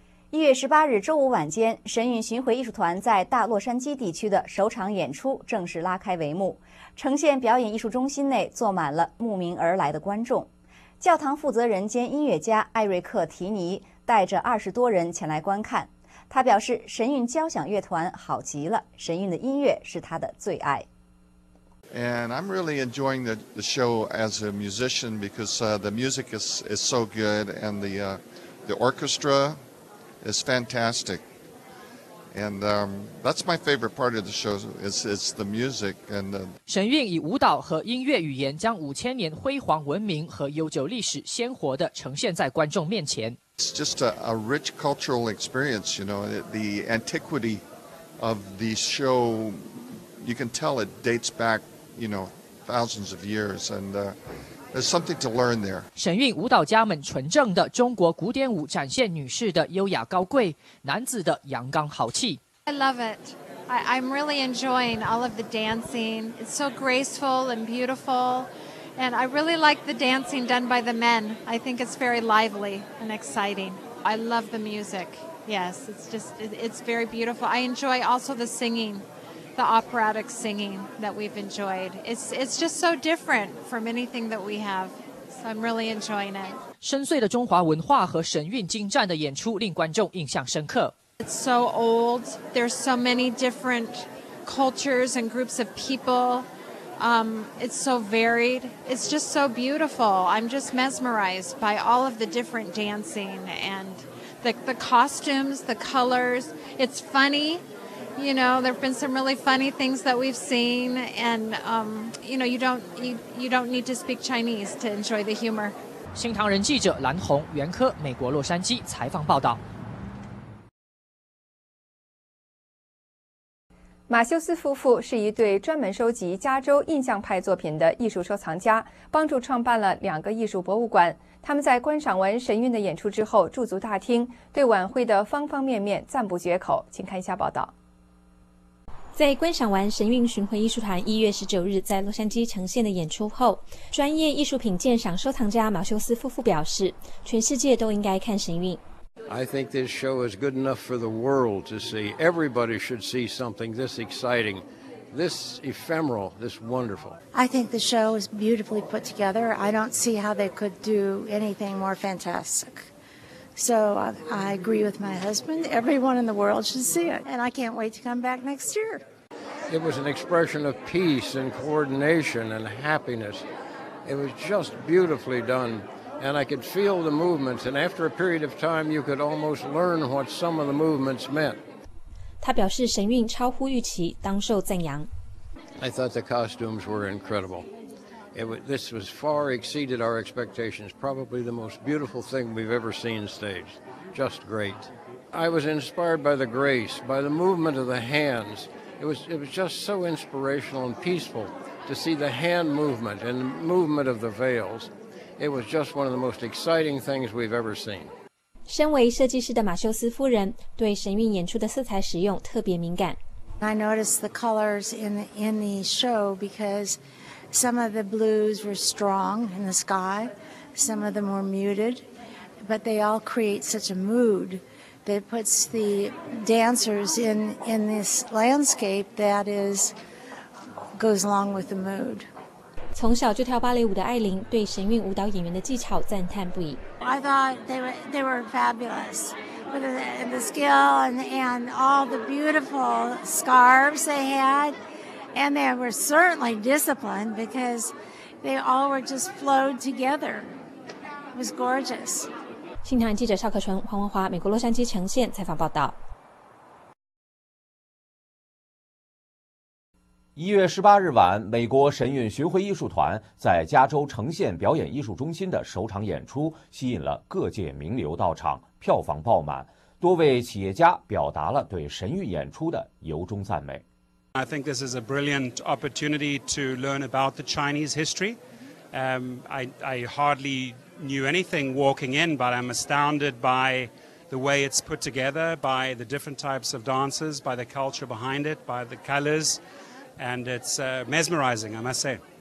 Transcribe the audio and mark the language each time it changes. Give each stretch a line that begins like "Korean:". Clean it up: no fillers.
Chinese: 1月18日周五晚间，神韵巡回艺术团在大洛杉矶地区的首场演出正式拉开帷幕，呈现表演艺术中心内坐满了慕名而来的观众。教堂负责人兼音乐家艾瑞克·提尼带着20多人前来观看，他表示神韵交响乐团好极了，神韵的音乐是他的最爱。
English: And I'm really enjoying the show as a musician because the music is so good and the orchestra is fantastic. And that's my favorite part of the show is the music. And
Chinese: 神韵以舞蹈和音乐语言将5000年辉煌文明和悠久历史鲜活地呈现在观众面前。
English: It's just a rich cultural experience, you know, the antiquity of the show. You can tell it dates back, you know, thousands of years, and there's something to learn there.
Chinese: 神韵舞蹈家们纯正的中国古典舞展现女士的优雅高贵，男子的阳刚豪气。
English: I love it. I'm really enjoying all of the dancing. It's so graceful and beautiful, and I really like the dancing done by the men. I think it's very lively and exciting. I love the music. Yes, it's very beautiful. I enjoy also the singing. The operatic singing that we've enjoyed. It's just so different from anything that we have. So I'm really enjoying it.
Chinese: 深邃的中华文化和神韵精湛的演出令观众印象深刻。
English: It's so old. There's so many different cultures and groups of people. It's so varied. It's just so beautiful. I'm just mesmerized by all of the different dancing and the costumes, the colors. It's funny. You know, there have been some really funny things that we've seen, and you don't need to speak Chinese to enjoy the humor.
Chinese: 新唐人记者蓝红、袁科，美国洛杉矶采访报道。马修斯夫妇是一对专门收集加州印象派作品的艺术收藏家，帮助创办了两个艺术博物馆。他们在观赏完神韵的演出之后，驻足大厅，对晚会的方方面面赞不绝口。请看一下报道。在观赏完神韵巡回艺术团1月19日在洛杉矶呈现的演出后，专业艺术品鉴赏收藏家马修斯夫妇表示，全世界都应该看神韵。
English: I think this show is good enough for the world to see. Everybody should see something this exciting, this ephemeral, this wonderful. I think the show is beautifully put together. I don't see how they could do anything more fantastic. So I agree with my husband. Everyone in the world should see it. And I can't wait to come back next year. It was an expression of peace and coordination and happiness. It was just beautifully done. And I could feel the movements. And after a period of time, you could almost learn what some of the movements meant.
Chinese: 他表示神韵超乎预期，当受赞扬。
English: I thought the costumes were incredible. This was far exceeded our expectations. Probably the most beautiful thing we've ever seen staged. Just great. I was inspired by the grace, by the movement of the hands. It was just so inspirational and peaceful to see the hand movement and the movement of the veils. It was just one of the most exciting things we've ever seen.
Chinese: 身为设计师的马修斯夫人对神韵演出的色彩使用特别敏感。
English: I noticed the colors in the show because. Some of the blues were strong in the sky, some of them were muted, but they all create such a mood that puts the dancers in this landscape that is goes along with the mood.
Chinese: 从小就跳芭蕾舞的艾琳对神韵舞蹈演员的技巧赞叹不已。
English: I thought they were fabulous, with the skill and all the beautiful scarves they had. And they were certainly disciplined because they all were just flowed together. It was gorgeous.
Chinese: 新唐人记者邵可纯、黄文华，美国洛杉矶呈现采访报道。 1月18日晚，美国神韵巡回艺术团在加州呈现表演艺术中心的首场演出，吸引了各界名流到场，票房爆满，多位企业家表达了对神韵演出的由衷赞美。
English: I think this is a brilliant opportunity to learn about the Chinese history. I hardly knew anything walking in, but I'm astounded by the way it's put together, by the different types of dances, by the culture behind it, by the colors, and it's mesmerizing, I must say.